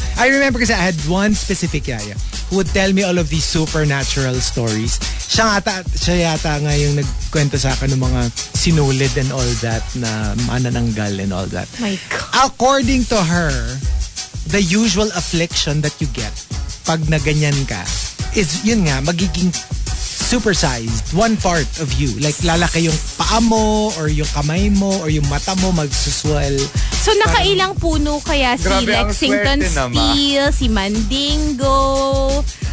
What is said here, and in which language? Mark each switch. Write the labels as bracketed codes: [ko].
[en] I remember kasi I had one specific yaya who would tell me all of these supernatural stories. [tl] Siya yata nga yung nagkwento sa akin ng mga sinulid and all that na manananggal and all that. [en] My God. According to her, the usual affliction that you get [tl] pag na ganyan ka [en] is, [tl] yun nga, magiging [en] supersized one part of you. [tl] Like, lalaki yung paa mo or yung kamay mo or yung mata mo magsuswell. So, nakailang puno kaya si Lexington Steel, si Mandingo.